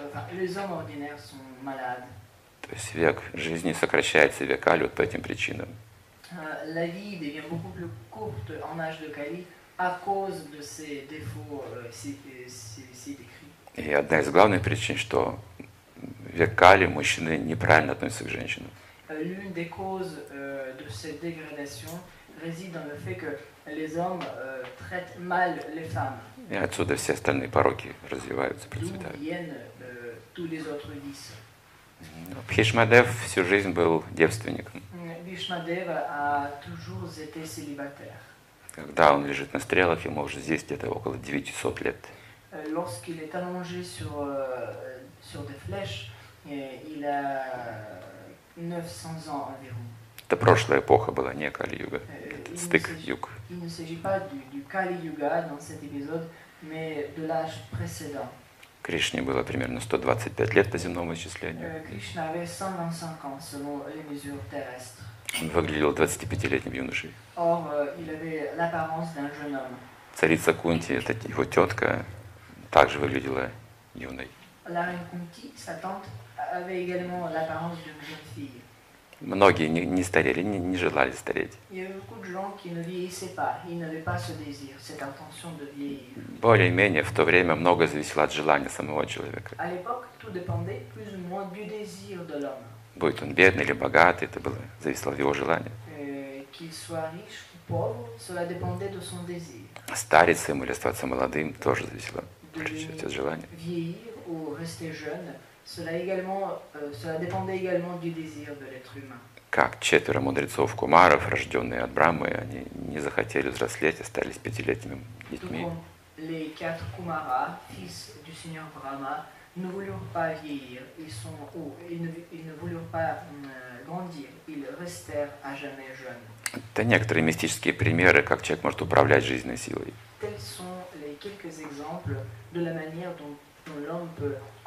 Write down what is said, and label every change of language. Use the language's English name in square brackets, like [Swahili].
[French] Les hommes ordinaires sont malades. [Russian] То есть век жизни сокращается века, вот по этим причинам. [French] la vie devient beaucoup plus courte en âge de Kali à cause de ces défauts ici décrits. Et [Russian] одна из главных причин, что век Кали мужчины неправильно относятся к женщинам. [French] L'une des causes de cette dégradation réside dans le fait que les hommes traitent mal les femmes. Et [Russian] отсюда все остальные пороки развиваются, процветают. [French] D'où viennent tous les autres vices. [Russian] Бхишмадев всю жизнь был девственником. [French] Бхишмадева a toujours été célibataire. [Russian] Когда он лежит на стрелах, ему уже здесь где-то около 900 лет. [French] Lorsqu'il est allongé sur des flèches, il a 900 ans environ. [Russian] Это прошлая эпоха была, не Кали-юга. Этот стык юг. [French] Il ne s'agit pas du Kali-yuga dans cet épisode, mais de l'âge précédent. [Russian] Кришне было примерно 125 лет по земному исчислению. [French] Кришна avait 125 ans selon les mesures terrestres. [Russian] Он выглядел 25-летним юношей. [French] Or, il avait l'apparence d'un jeune homme. [Russian] Царица Кунти, это его тетка, также выглядела юной. [French] La reine Kunti, sa tante, avait également l'apparence d'une jeune fille. [Russian] Многие не старели, не желали стареть. [French] Il y a beaucoup de gens qui ne vieillissaient pas. Ils n'avaient pas ce désir, cette intention de vieillir. [Russian] Более-менее в то время многое зависело от желания самого человека. [French] À l'époque, tout dépendait plus ou moins du désir de l'homme. [Russian] Будет он бедный или богатый, это было зависело от его желания. [French] Qu'il soit riche ou pauvre, cela dépendait de son désir. [Russian] Стариться ему или оставаться молодым тоже зависело от желания. [French] Vieillir ou rester jeune. Cela dépendait également du désir de l'être humain. [Russian] Как четверо мудрецов кумаров, рожденные от Брахмы, они не захотели взрослеть, остались пятилетними детьми. [French] Les quatre kumaras, fils du seigneur Brahma, ne voulurent pas vieillir. Ils ne voulurent pas grandir. Ils restèrent à jamais jeunes. [Russian] Это некоторые мистические примеры, как человек может управлять жизненной силой. [French] Tels sont les quelques exemples de la manière dont l'homme peut